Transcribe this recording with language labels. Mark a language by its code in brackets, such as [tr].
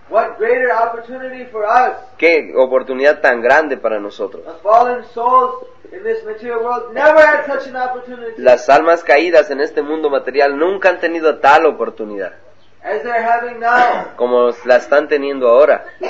[en] What greater opportunity for us? [es] ¿Qué oportunidad tan grande para nosotros? [en] The fallen souls in this material world never had such an opportunity. [es] Las almas caídas en este mundo material nunca han tenido tal oportunidad. [en] As they're having now. [es] Como la están teniendo ahora.